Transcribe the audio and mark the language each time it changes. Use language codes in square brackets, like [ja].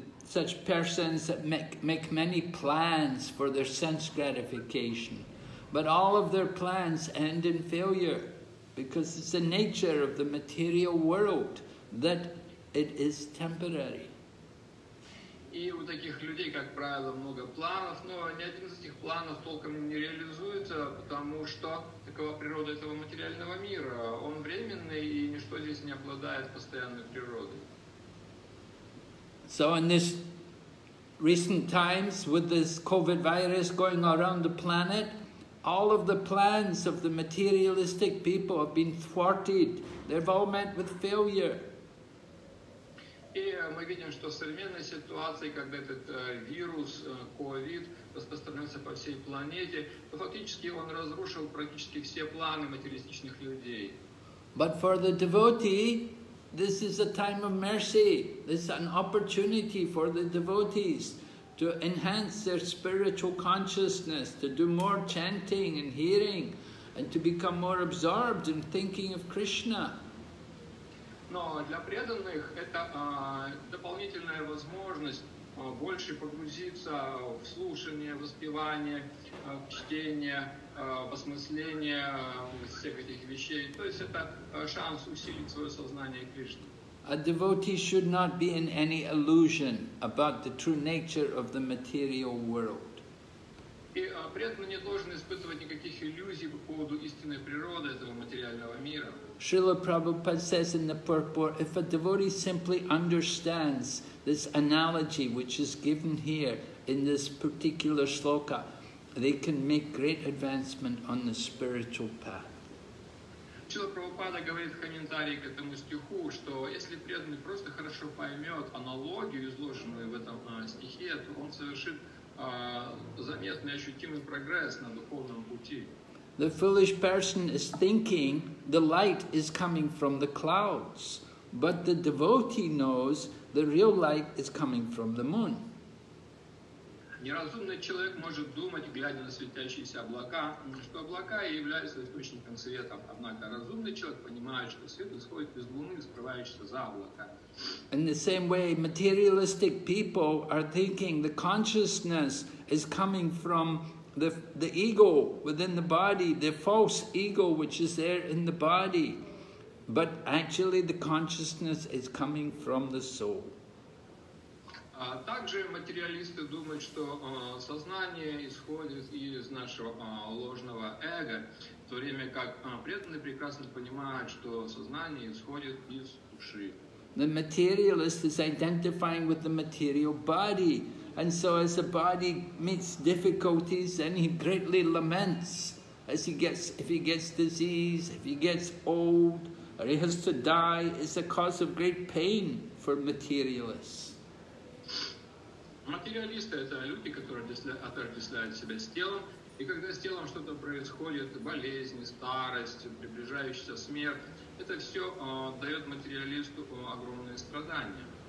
[en] Such persons that make many plans for their sense gratification. But all of their plans end in failure because it's the nature of the material world that it is temporary. [ru] И у таких людей, как правило, много планов, но ни один из этих планов толком не реализуется, потому что такова природа этого материального мира. Он временный, и ничто здесь не обладает постоянной природой. [en] So in this recent times, with this COVID virus going around the planet, all of the plans of the materialistic people have been thwarted. They've all met with failure. [ru] И мы видим, что в современной ситуации, когда этот вирус, COVID, распространился по всей планете, то фактически он разрушил практически все планы материалистичных людей. [en] But for the devotee, this is a time of mercy. This is an opportunity for the devotees to enhance their spiritual consciousness, to do more chanting and hearing, and to become more absorbed in thinking of Krishna. [ru] Но для преданных это дополнительная возможность больше погрузиться в слушание, воспевание, чтение, осмысление всех этих вещей. То есть это шанс усилить свое сознание Кришны. [en] A devotee should not be in any illusion about the true nature of the material world. [ru] И преданный не должен испытывать никаких иллюзий по поводу истинной природы этого материального мира. [en] Srila Prabhupada says in the purport, if a devotee simply understands this analogy which is given here in this particular sloka, they can make great advancement on the spiritual path. [ru] Srila Prabhupada говорит в комментарии к этому стиху, что если преданный просто хорошо поймет аналогию, изложенную в этом стихе, то он совершит заметный, ощутимый прогресс на духовном пути. [en] The foolish person is thinking the light is coming from the clouds, but the devotee knows the real light is coming from the moon. [ru] Неразумный человек может думать, глядя на светящиеся облака, что облака являются источником света. Однако разумный человек понимает, что свет исходит из луны, скрывающейся за облака. [en] In the same way, materialistic people are thinking the consciousness is coming from the ego within the body, the false ego which is there in the body, but actually the consciousness is coming from the soul. [ru] Также материалисты думают, что сознание исходит из нашего ложного эго, в то время как преданные прекрасно понимают, что сознание исходит из души. [en] The materialist is identifying with the material body. And so as the body meets difficulties, then he greatly laments as he gets, if he gets disease, if he gets old, or he has to die, it's a cause of great pain for materialists. [ru] Материалисты – это люди, которые отождествляют себя с телом. И когда с телом что-то происходит, болезни, старость, приближающаяся смерть, это все дает материалисту огромные страдания.